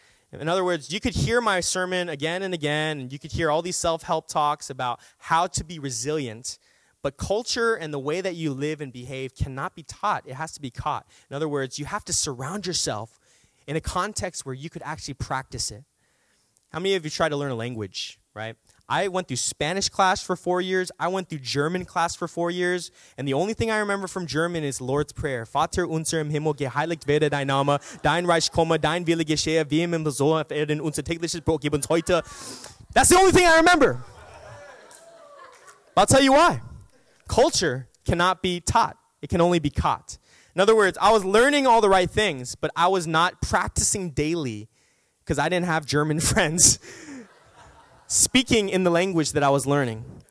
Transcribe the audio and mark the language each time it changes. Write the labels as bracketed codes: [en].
[en] In other words, you could hear my sermon again and again, and you could hear all these self-help talks about how to be resilient, but culture and the way that you live and behave cannot be taught. It has to be caught. In other words, you have to surround yourself in a context where you could actually practice it. How many of you tried to learn a language, right? I went through Spanish class for 4 years. I went through German class for 4 years. And the only thing I remember from German is Lord's Prayer. [de] Vater unser im Himmel, geheiligt werde dein Name, dein Reich komme, dein Wille geschehe, wie im Himmel so auf Erden, unser tägliches Brot gib uns heute. [en] That's the only thing I remember. But I'll tell you why. Culture cannot be taught. It can only be caught. In other words, I was learning all the right things, but I was not practicing daily because I didn't have German friends speaking in the language that I was learning.